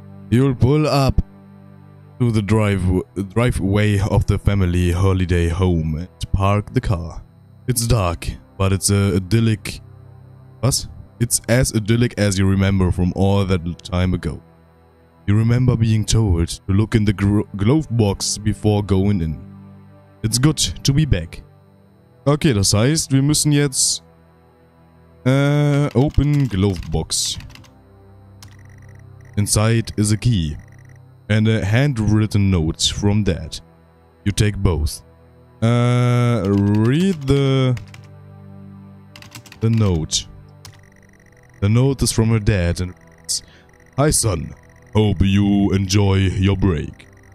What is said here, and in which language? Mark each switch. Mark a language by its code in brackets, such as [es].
[en] You'll pull up to the driveway of the family holiday home and park the car. It's dark, but it's idyllic. What? It's as idyllic as you remember from all that time ago. You remember being told to look in the glove box before going in. It's good to be back. [de] Okay, das heißt, wir müssen jetzt [en] open glove box. Inside is a key and a handwritten note from Dad. You take both. Read the note. The note is from her dad and reads, "Hi son, hope you enjoy your break.